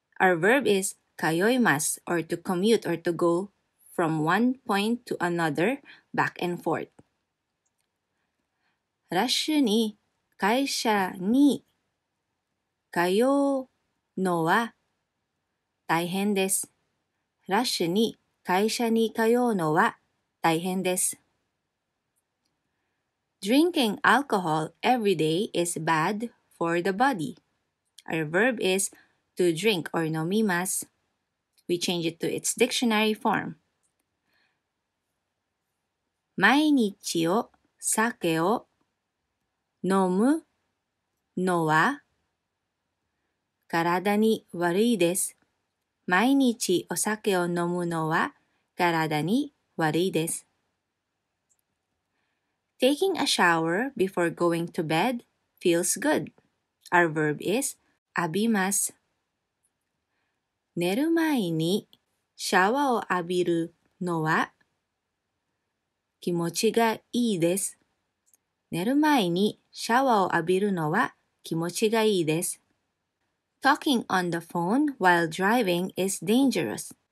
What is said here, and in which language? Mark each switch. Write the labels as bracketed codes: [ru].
[en] Our verb is 通います or to commute or to go from one point to another back and forth. [ja] ラッシュに会社に通うのは大変です。ラッシュに会社に通うのは大変です。 [en] Drinking alcohol every day is bad for the body. Our verb is to drink or 飲みます。We change it to its dictionary form. [ja] 毎日お酒を飲むのは体に悪いです。毎日お酒を飲むのは体に悪いです。 [en] Taking a shower before going to bed feels good. Our verb is [ja] 浴びます。寝る前にシャワーを浴びるのは気持ちがいいです。寝る前にシャワーを浴びるのは気持ちがいいです。 [en] Talking on the phone while driving is dangerous.